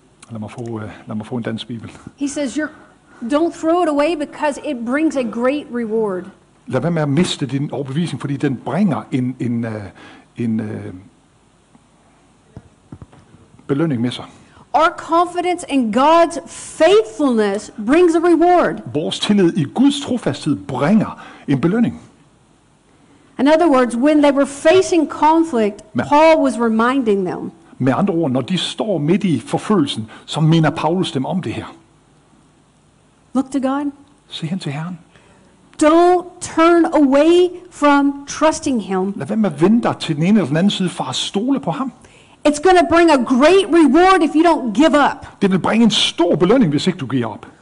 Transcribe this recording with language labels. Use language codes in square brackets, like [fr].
[da] Lad mig få en dansk bibel. [en] He says, don't throw it away because it brings a great reward. [da] Lad være med at miste din overbevisning, fordi den bringer en belønning med sig. [en] Our confidence in God's faithfulness brings a reward. [da] Vores tillid i Guds trofasthed bringer en belønning. [en] In other words, when they were facing conflict, Paul was reminding them. [da] Med andre ord, når de står midt i forfølgelsen, så minder Paulus dem om det her. [en] Look to God. [da] Se hen til Herren. [en] Don't turn away from trusting him. [da] Lad være med at vende dig til den ene eller den anden side for at stole på ham. [en] It's going to bring a great reward if you don't give up. [da] Det vil bringe en stor belønning, hvis ikke du giver op.